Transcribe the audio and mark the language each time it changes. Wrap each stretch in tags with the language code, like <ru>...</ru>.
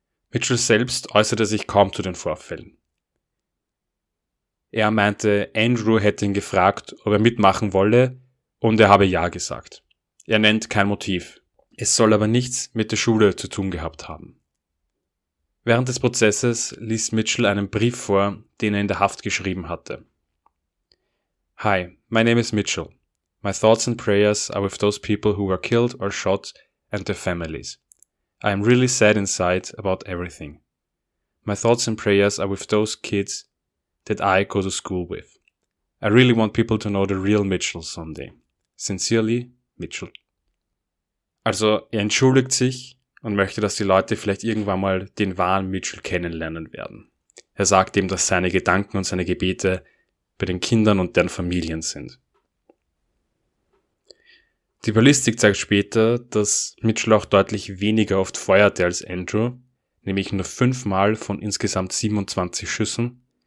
<de>Mitchell selbst äußerte sich kaum zu den Vorfällen. Er meinte, Andrew hätte ihn gefragt, ob er mitmachen wolle, und er habe ja gesagt. Er nennt kein Motiv. Es soll aber nichts mit der Schule zu tun gehabt haben. Während des Prozesses liest Mitchell einen Brief vor, den er in der Haft geschrieben hatte.</de> <en>Hi, my name is Mitchell. My thoughts and prayers are with those people who were killed or shot and their families. I am really sad inside about everything. My thoughts and prayers are with those kids that I go to school with. I really want people to know the real Mitchell someday. Sincerely, Mitchell.</en> <de>Also, er entschuldigt sich und möchte, dass die Leute vielleicht irgendwann mal den wahren Mitchell kennenlernen werden. Er sagt ihm, dass seine Gedanken und seine Gebete bei den Kindern und deren Familien sind. Die Ballistik zeigt später, dass Mitchell auch deutlich weniger oft feuerte als Andrew, nämlich nur 5 Mal von insgesamt 27 Schüssen.</de>